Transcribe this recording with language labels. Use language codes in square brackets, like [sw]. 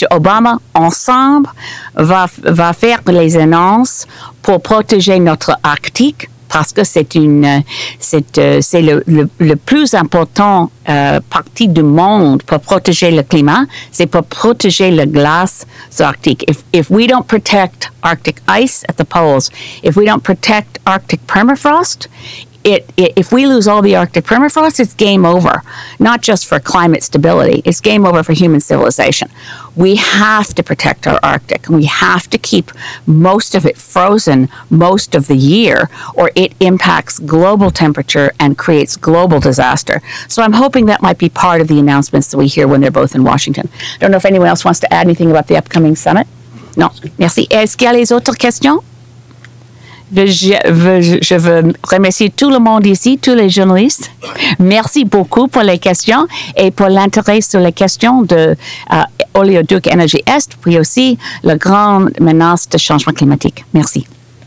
[fr] Obama ensemble va faire les annonces pour protéger notre Arctique, parce que c'est le plus important partie du monde pour protéger le climat, c'est pour protéger la glace sur l'Arctique. [en] If we don't protect Arctic ice at the poles, if we don't protect Arctic permafrost, if we lose all the Arctic permafrost, it's game over. Not just for climate stability, it's game over for human civilization. We have to protect our Arctic. We have to keep most of it frozen most of the year, or it impacts global temperature and creates global disaster. So I'm hoping that might be part of the announcements that we hear when they're both in Washington. I don't know if anyone else wants to add anything about the upcoming summit. No. [fr] Merci. Est-ce qu'il y a les autres questions? Je veux remercier tout le monde ici, tous les journalistes. Merci beaucoup pour les questions et pour l'intérêt sur les questions de Oleoduc Energy Est, puis aussi la grande menace de changement climatique. Merci.